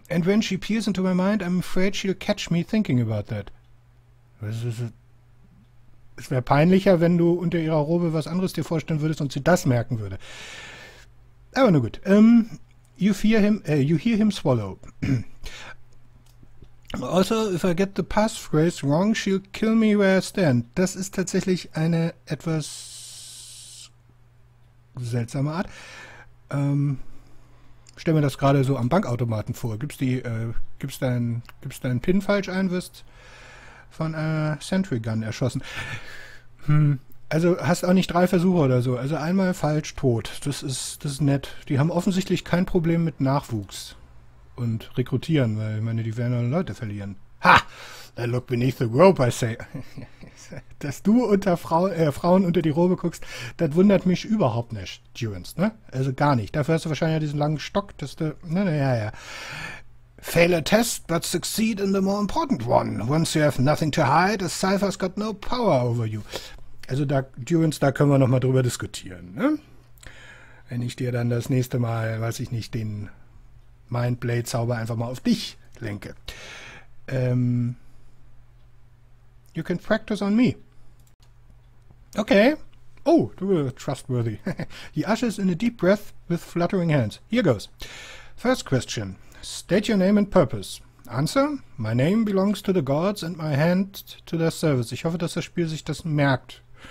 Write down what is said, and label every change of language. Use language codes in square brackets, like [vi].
[en] And when she peers into my mind, I'm afraid she'll catch me thinking about that. [de] Es wäre peinlicher, wenn du unter ihrer Robe was anderes dir vorstellen würdest und sie das merken würde. Aber nur gut. [en] You hear him swallow. Also, if I get the passphrase wrong, she'll kill me where I stand. [de] Das ist tatsächlich eine etwas seltsame Art. Stell mir das gerade so am Bankautomaten vor. Gibst deinen PIN falsch ein, wirst von einer Sentry Gun erschossen. Also hast auch nicht drei Versuche oder so. Also einmal falsch, tot. Das ist nett. Die haben offensichtlich kein Problem mit Nachwuchs und rekrutieren, weil ich meine, die werden Leute verlieren. Ha! [en] That look beneath the robe, I say. [de] Dass du unter Frauen unter die Robe guckst, das wundert mich überhaupt nicht, Durance, ne? Also gar nicht. Dafür hast du wahrscheinlich diesen langen Stock, dass du... Ne. [en] Fail a test, but succeed in the more important one. Once you have nothing to hide, the Cypher's got no power over you. [de] Also da, Durance, da können wir nochmal drüber diskutieren, ne? Wenn ich dir dann das nächste Mal, weiß ich nicht, den Mindblade-Zauber einfach mal auf dich lenke. [en] You can practice on me. Okay. [de] Oh, du bist trustworthy. [en] He ushers in a deep breath with fluttering hands. Here goes. First question. State your name and purpose. Answer. My name belongs to the gods and my hand to their service. [de] Ich hoffe, dass das Spiel sich das merkt.